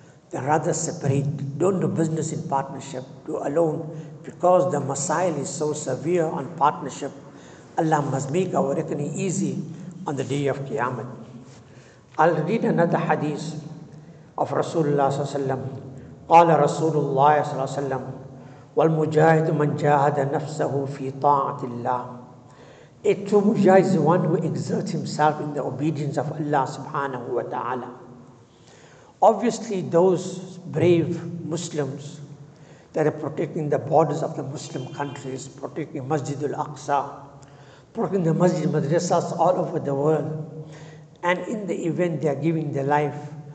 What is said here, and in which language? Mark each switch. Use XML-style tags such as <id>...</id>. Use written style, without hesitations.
<en>Then rather separate, don't do business in partnership, do alone, because the masail is so severe on partnership. Allah must make our reckoning easy on the day of Qiyamah. I'll read another hadith of Rasulullah SAW.</en> <ar>قال رسول الله صلى الله عليه وسلم والمجاهد من جاهد نفسه في طاعة الله.</ar> <en>A true mujahid is the one who exerts himself in the obedience of Allah subhanahu wa ta'ala. Obviously, those brave Muslims that are protecting the borders of the Muslim countries, protecting Masjid al-Aqsa, protecting the Masjid madrasas all over the world, and in the event they are giving their life,</en>